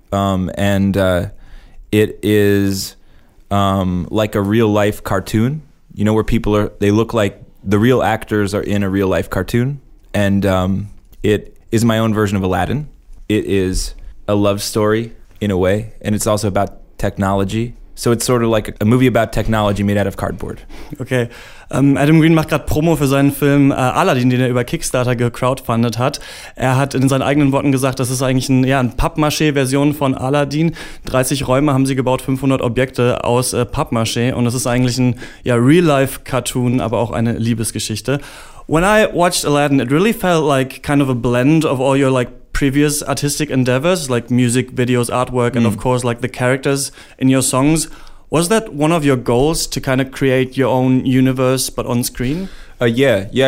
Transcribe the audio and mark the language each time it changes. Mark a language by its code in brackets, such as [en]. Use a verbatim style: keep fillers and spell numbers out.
[en] Um, and uh, it is um, like a real life cartoon, you know, where people are, they look like the real actors are in a real life cartoon. And um, it is my own version of Aladdin. It is a love story in a way, and it's also about technology. So it's sort of like a movie about technology made out of cardboard. Okay. [de] Um, Adam Green macht gerade Promo für seinen Film äh, Aladdin, den er über Kickstarter gecrowdfundet hat. Er hat in seinen eigenen Worten gesagt, das ist eigentlich ein, ja, ein Pappmaché-Version von Aladdin. dreißig Räume haben sie gebaut, fünfhundert Objekte aus äh, Pappmaché. Und das ist eigentlich ein ja, Real-Life-Cartoon, aber auch eine Liebesgeschichte. [en] When I watched Aladdin, it really felt like kind of a blend of all your like previous artistic endeavors, like music, videos, artwork, and mm. of course, like the characters in your songs. Was that one of your goals to kind of create your own universe, but on screen? Uh, yeah, yeah.